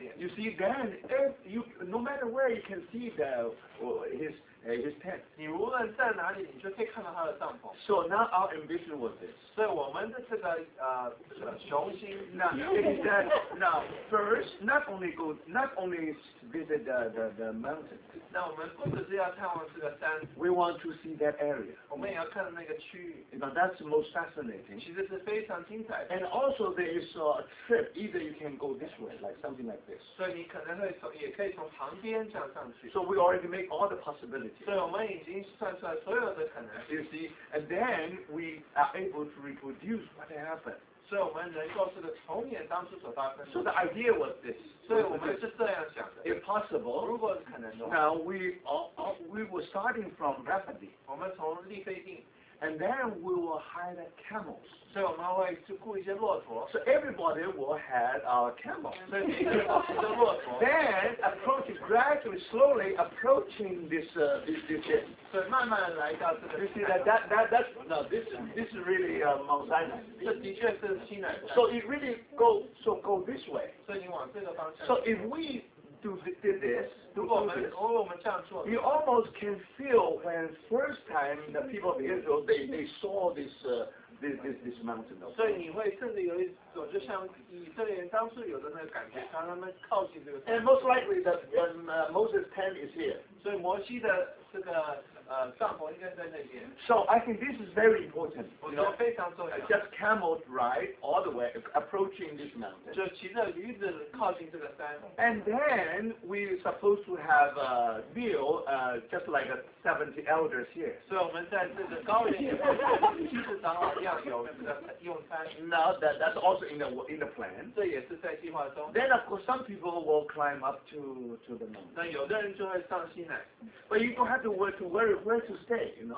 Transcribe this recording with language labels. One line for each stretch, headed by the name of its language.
English: You see, then, if you, no matter where, you can see the, his tent.
Chinese: 你无论在哪里，你就可以看到他的帐篷。
English: So now our ambition was this.
Chinese: 所以我们的这个雄心，
English: 那 is that now first not only visit the mountain.
Chinese: 那我们不只是要探望这个山。
English: We want to see that area.
Chinese: 我们也要看到那个区域。
English: Now that's the most fascinating.
Chinese: 其实是非常精彩的。
English: And also there is a trip. Either you can go this way, like something like this.
Chinese: 所以你可能会从也可以从旁边这样上去。
English: So we already make all the possibilities.
Chinese: 所以我们已经算出来所有的可能。
English: You see, and then we are able to reproduce what happened.
Chinese: 所以我们能够这个重演当初所发生的。
English: So the idea was this.
Chinese: 所以我们是这样想的。
English: If possible,
Chinese: 如果是可能的话。
English: Now we were starting from rapidly.
Chinese: 我们从立飞定。
English: And then we will hire camels.
Chinese: 所以我们会去雇一些骆驼。
English: So everybody will have our camel.
Chinese: 所以每个人都有骆驼。
English: Then approach gradually, slowly approaching this this inn.
Chinese: 所以慢慢来到这个。
English: You see this is really Mount Sinai.
Chinese: 这的确是西奈。
English: So it really go this way.
Chinese: 所以你往这个方向。
English: So if we did this. You almost can feel when first time the people of Israel they saw this mountain.
Chinese: 所以你会甚至有一种就像以色列人当初有的那个感觉，当他们靠近这个。
English: And most likely that Moses' tent is here.
Chinese: 所以摩西的这个帐篷应该在那边。
English: So I think this is very important.
Chinese: 我觉得非常重要。
English: Just camels ride all the way approaching this mountain.
Chinese: 就骑着驴子靠近这个山。
English: And then we supposed to have a meal, just like 70 elders here.
Chinese: 所以我们在这个高原上，就是长老要有用餐。
English: Now that's also in the plan.
Chinese: 这也是在计划中。
English: Then of course some people will climb up to the mountain.
Chinese: 那有的人就会上西奈。
English: But you don't have to worry where to stay, you know.